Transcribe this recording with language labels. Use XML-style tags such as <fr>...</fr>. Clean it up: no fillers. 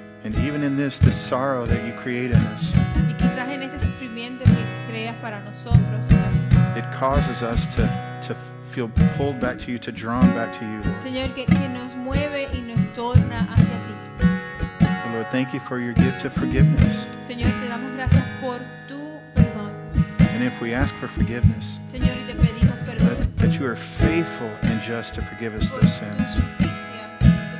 <en>And even in the sorrow that you create in us,</en> <es>y quizás en este sufrimiento que creas para nosotros,</es> <en>it causes us to feel pulled back to you, to drawn back to you.</en> <es>Señor, que nos mueve y nos torna hacia ti.</es> <en>Lord, thank you for your gift of forgiveness.</en> <es>Señor, te damos gracias por tu perdón.</es> <en>And if we ask for forgiveness,</en> <es>Señor, y te pedimos perdón,</es> <en>that you are faithful and just to forgive us those sins.</en>